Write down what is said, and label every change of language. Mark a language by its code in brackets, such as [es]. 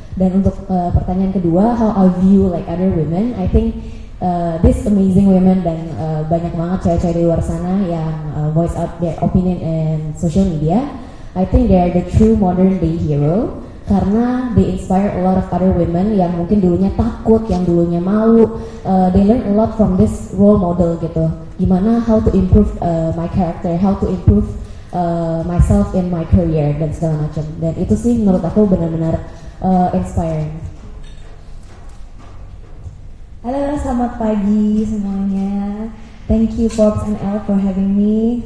[id] Dan untuk pertanyaan kedua, [en] how I view like other women, I think this amazing women [id] dan banyak banget cewek-cewek di luar sana yang [en] voice out their opinion in social media, I think they are the true modern day hero. [id] Karena [en] they inspire a lot of other women [id] yang mungkin dulunya takut, yang dulunya malu. [en] They learn a lot from this role model [id] gitu. Gimana [en] how to improve my character, how to improve myself in my career [id] dan segala macam. Dan itu sih menurut aku benar-benar inspiring. Halo, selamat pagi semuanya. [en] Thank you Forbes and Elle for having me.